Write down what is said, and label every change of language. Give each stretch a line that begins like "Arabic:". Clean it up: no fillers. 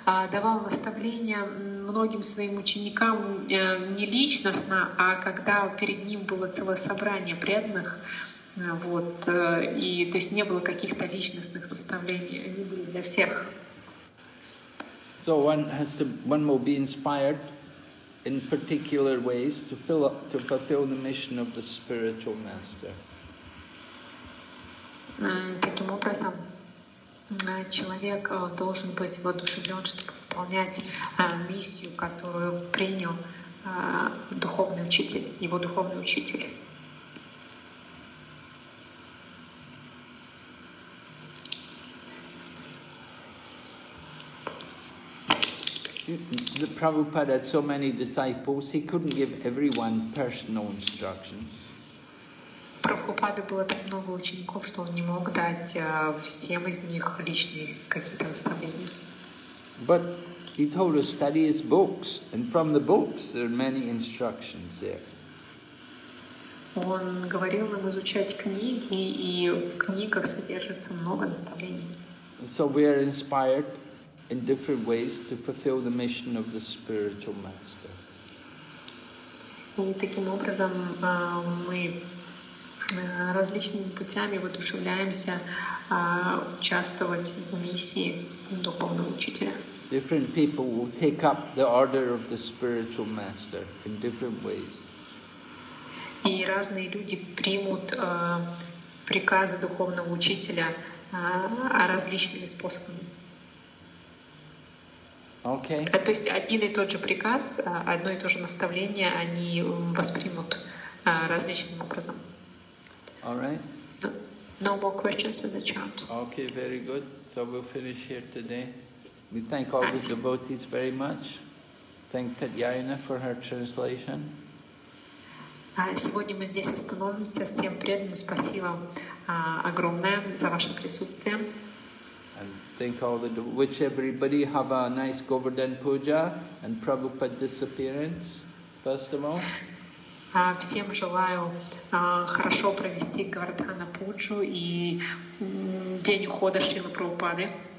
Russian: давал наставления многим своим ученикам не личностно, а когда перед ним было целое собрание преданных, вот, и то есть не было каких-то личностных наставлений, они были для всех.
English: So one will be inspired in particular ways to fulfill the mission of the spiritual master.
Russian: Таким образом, человек должен быть воодушевлен, чтобы выполнять миссию, которую принял духовный учитель, его духовный учитель.
English: The Prabhupada had so many disciples, he couldn't give everyone personal instructions.
Russian: Прабхупады было так много учеников, что он не мог дать всем из них личные какие-то наставления.
English: But he told us study his books, and from the books there are many instructions there.
Russian: Он говорил нам изучать книги, и в книгах содержится много наставлений.
English: So we are inspired in different ways to fulfill the mission of the spiritual master.
Russian: И таким образом мы различными путями воодушевляемся участвовать в миссии духовного учителя.
English: Different people will take up the order of the spiritual master in different ways.
Russian: И разные люди примут приказы духовного учителя различными способами.
English: Okay.
Russian: То есть один и тот же приказ, одно и то же наставление они воспримут различным образом.
English: All right. No more questions in the chat. Okay, very good. So we'll finish here today. We thank all the devotees very much. Thank Tatyana for her translation.
Russian: Сегодня мы здесь остановимся. Всем преданным спасибо огромное за ваше присутствие.
English: And thank all the wish everybody have a nice Govardhan Puja and Prabhupada disappearance. First of all.
Russian: Всем желаю хорошо провести Говардхана Пуджу и день ухода Шрилы Прабхупады.